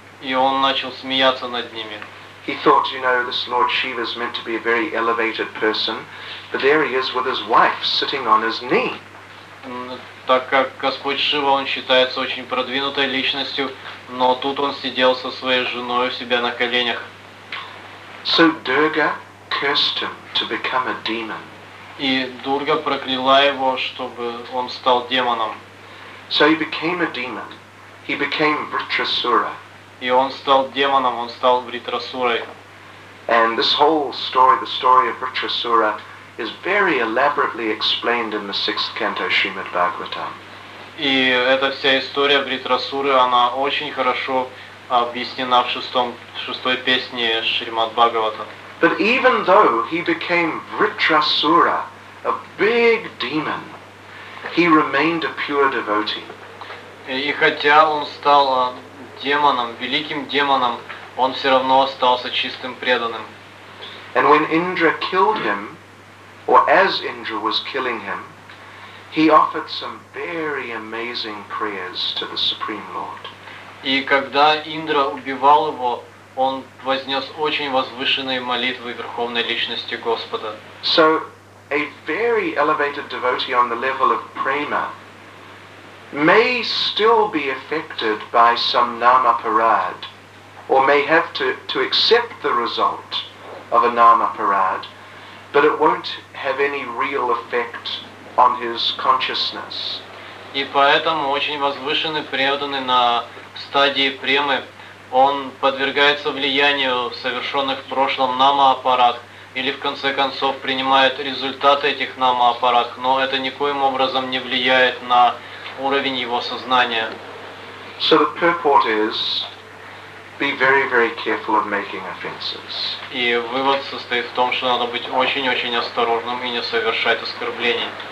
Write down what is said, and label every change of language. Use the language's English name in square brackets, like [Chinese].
[Russian] И он начал смеяться над ними. [English] He thought, you know, this Lord Shiva is meant to be a very elevated person, but there he is with his wife sitting on his knee. [Russian] Так как Господь Шива, он считается очень продвинутой личностью, но тут он сидел со своей женой у себя на коленях. [English] So Durga cursed him to become a demon. [Russian] И Дурга прокляла его, чтобы он стал демоном. [English] So he became a demon. He became Vritrasura. [Russian] И он стал демоном, он стал Вритрасурой. [English] And this whole story, the story of Vritrasura, is very elaborately explained in the sixth canto Srimad Bhagavatam. [Russian] И эта вся история Вритрасуры, она очень хорошо объяснена в шестой песне Шримад Бхагаватам. [English] But even though he became Vritrasura, a big demon, he remained a pure devotee. [Russian] И хотя он стал демоном, великим демоном, он все равно остался чистым преданным. [English] And when Indra killed him, or as Indra was killing him, he offered some very amazing prayers to the Supreme Lord. [Russian] И когда Индра убивал его, он вознес очень возвышенные молитвы Верховной Личности Господа. [English] So, a very elevated devotee on the level of prema may still be affected by some nama-parad, or may have to accept the result of a nama-parad, but it won't have any real effect on his consciousness. [Russian] И поэтому очень возвышенный преданный на стадии премы, он подвергается влиянию совершенных в прошлом нама-апарат или в конце концов принимает результаты этих нама-апарат, но это никоим образом не влияет на уровень его сознания. [English] So the purport is, be very, very careful of making offenses. [Russian] И вывод состоит в том, что надо быть очень-очень осторожным и не совершать оскорблений.